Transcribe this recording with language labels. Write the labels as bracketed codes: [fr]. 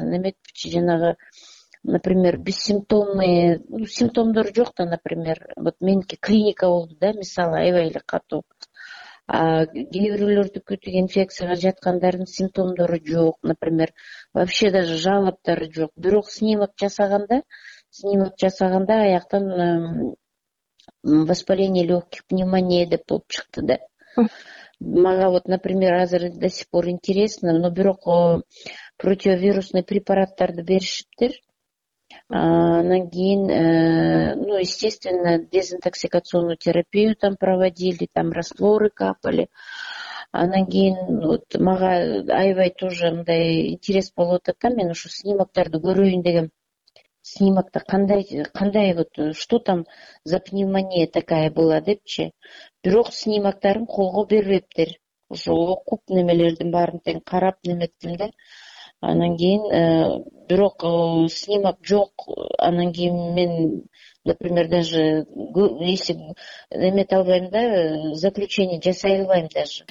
[ky] Неметпичи жанагы, [ru] например, бессимптомный, ну, [ky] симптомдору жок да, [ru] например, вот [ky] меники клиника болду да, мисалы аябай эле катуу. А кээ бирөөлөрдүкү тиги инфекцияга жаткандардын симптомдору жок, [ru] например, вообще даже [ky] жалобтары жок. Бирок снимок жасаганда аяктан [ru] воспаление легких, [ky] пневмония деп болуп чыкты да. Мага [ru] вот, например, [ky] азыр [ru] до сих пор интересно, но [ky] бирок противовирусный препараттарды беришиптир. Анан кийин, [ru] ну, естественно, дезинтоксикационную терапию там проводили, там растворы капали. [ky] Анан кийин [ru] вот [ky] мага аябай [ru] тоже [ky] мындай интерес болуп атат да, мен ушу снимоктарды көрөйүн дегем. Снимокто кандай [ru] вот что там за пневмония такая была [ky] депчи. Бирок снимоктарын колго бербептир. Ошо окуп немелердин баарын тең карап неметтим да. Анан кийин бирок снимок жок. Анан кийин мен, [ru] например, даже если [ky] эмет албайм да, [ru] заключение [ky] жасай албайм [ru] даже.